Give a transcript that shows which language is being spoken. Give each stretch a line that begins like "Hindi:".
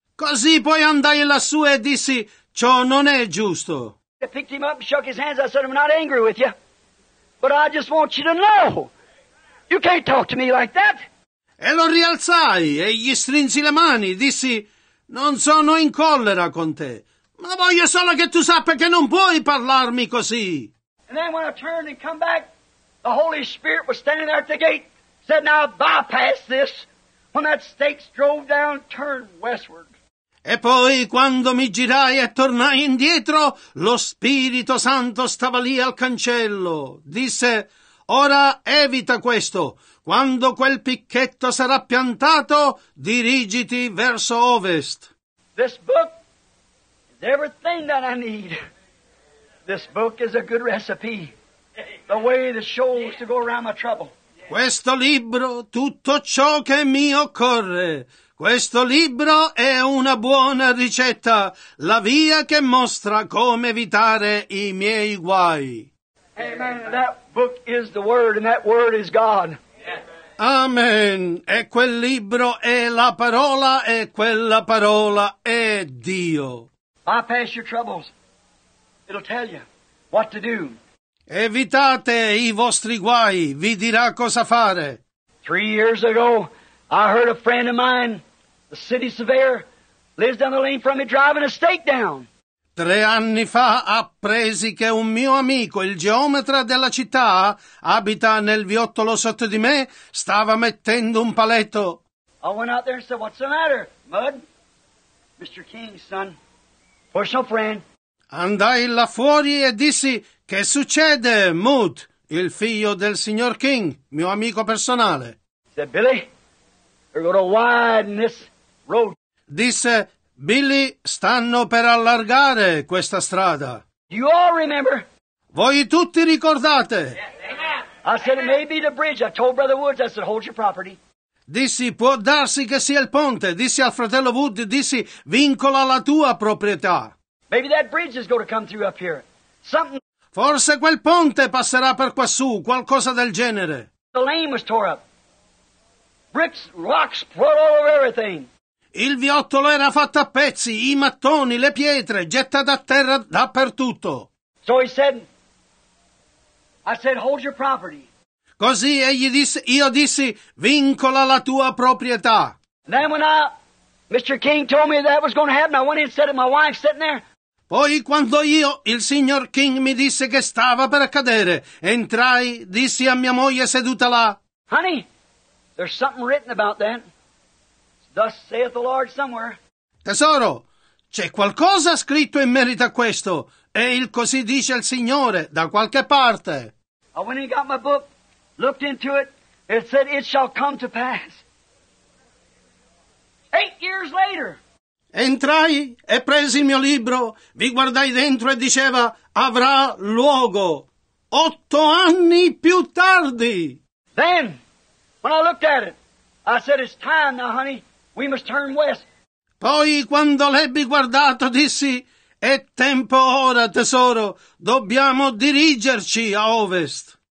Italian: Così poi andai lassù e dissi, ciò non è giusto.
English: I picked him up and shook his hands. I said, I'm not angry with you, but I just want you to know, you can't talk to me like that.
Italian: E lo rialzai e gli strinsi le mani, dissi, non sono in collera con te, ma voglio solo che tu sappia che non puoi parlarmi così.
English: And then when I turned and come back, the Holy Spirit was standing there at the gate, said, now bypass this, when that stake drove down, turned westward.
Italian: E poi, quando mi girai e tornai indietro, lo Spirito Santo stava lì al cancello. Disse, ora evita questo. Quando quel picchetto sarà piantato, dirigiti verso ovest.
English: This book is everything that I need. This book is a good recipe, the way the shoals to go around my trouble.
Italian: Questo libro, tutto ciò che mi occorre. Questo libro è una buona ricetta, la via che mostra come evitare i miei guai.
English: Amen. That book is the word, and that word is God. Amen.
Italian: E quel libro è la parola, e quella parola è Dio.
English: Bypass your troubles. It'll tell you what to do.
Italian: Evitate i vostri guai, vi dirà cosa fare.
English: 3 years ago, I heard a friend of mine, the city surveyor, lives down the lane from me, driving a stake down.
Italian: 3 anni fa, appresi che un mio amico, il geometra della città, abita nel viottolo sotto di me, stava mettendo un paletto.
English: I went out there and said, what's the matter, Mud? Mr. King's son, personal friend.
Italian: Andai là fuori e dissi, che succede, Mood, il figlio del signor King, mio amico personale?
English: Said, Billy, they're going to widen this road.
Italian: Disse, Billy, stanno per allargare questa strada.
English: You all remember?
Italian: Voi tutti ricordate?
English: Yeah, I said, it may be the bridge. I told Brother Woods, I said, hold your property.
Italian: Dissi, può darsi che sia il ponte. Dissi al fratello Wood, dissi, vincola la tua proprietà.
English: Maybe that bridge is going to come through up here. Something.
Italian: Forse quel ponte passerà per quassù, qualcosa del genere.
English: The lane was tore up. Bricks, rocks, poured all over everything.
Italian: Il viottolo era fatto a pezzi, i mattoni, le pietre, gettate a terra dappertutto.
English: So he said, I said, hold your property.
Italian: Così egli disse, io dissi, vincola la tua proprietà.
English: Then when I, Mr. King told me that was going to happen, I went in and said to my wife sitting there.
Italian: Poi quando io, il signor King mi disse che stava per accadere, entrai, dissi a mia moglie seduta là.
English: Honey, there's something written about that. Thus saith the Lord somewhere.
Italian: Tesoro, c'è qualcosa scritto in merito a questo, e il così dice il Signore, da qualche parte.
English: I went and got my book, looked into it, and said, it shall come to pass. 8 years later.
Italian: Entrai e presi il mio libro, vi guardai dentro e diceva, avrà luogo 8 anni più tardi.
English: Then, when I looked at it, I said, it's time now, honey, we must turn west.
Italian: Poi, quando l'ebbi guardato, dissi, è tempo ora, tesoro, dobbiamo dirigerci a ovest.